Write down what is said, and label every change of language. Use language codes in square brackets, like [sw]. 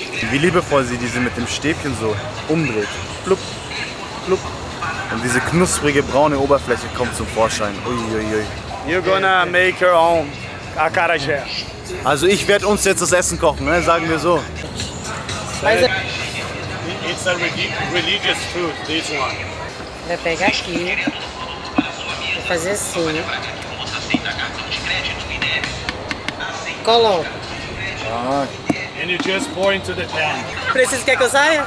[de] Wie liebevoll sie diese mit dem Stäbchen so umdreht. Blub, blub. Und diese knusprige braune Oberfläche kommt zum Vorschein. Uiuiui. [en] You're gonna make your own akarajé. [de] Also ich werde uns jetzt das Essen kochen, ne? Sagen wir so. [en] It's a religious food, this one. [pt] Vai pegar aqui, vou fazer assim. Coloca. [en] Ah. And you just pour into the pan. [pt] Preciso, quer que eu saia?